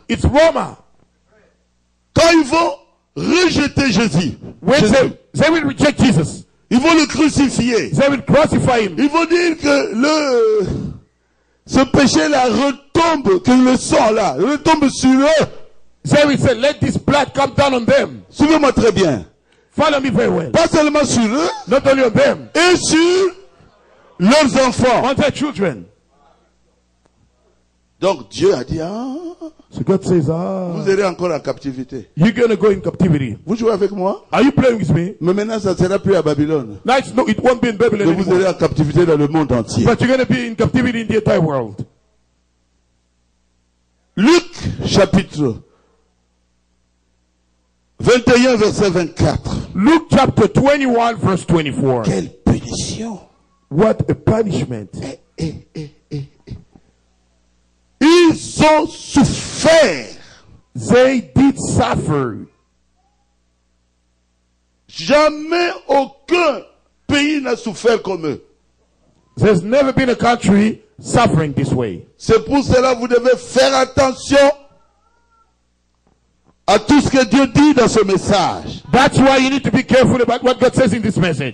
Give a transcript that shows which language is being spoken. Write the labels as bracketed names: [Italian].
[English] It's Roma. [French] Quand ils vont rejeter Jésus. [English] When they will reject Jesus. [French] Ils vont le crucifier. [English] They will crucify him. [French] Ils vont dire que ce péché-là retombe, que le sang-là retombe sur eux. [English] They will say, let this blood come down on them. [French] Suivez-moi très bien. [English] Follow me very well. [French] Pas seulement sur eux. [English] Not only on them. [French] Et sur leurs enfants. [English] On their children. [French] Donc Dieu a dit, ah, [English] so God says, ah, [French] vous irez encore en captivité. [English] You're gonna go in captivity. [French] Vous jouez avec moi? [English] Are you playing with me? [French] Mais maintenant, ça ne sera plus à Babylone. [English] Now, no, it won't be in Babylon. [French] Mais vous irez en captivité dans le monde entier. [English] But you're gonna be in captivity in the entire world. [French] Luc chapitre 21 verset 24. [English] Luke chapter 21 verse 24. [French] Quelle punition! [English] What a punishment! [French] Eh, eh, eh, eh, eh. Ils ont souffert. [English] They did suffer. [French] Jamais aucun pays n'a souffert comme eux. [English] There's never been a country suffering this way. [French] C'est pour cela que vous devez faire attention à tout ce que Dieu dit dans ce message. [English] That's why you need to be careful about what God says in this message.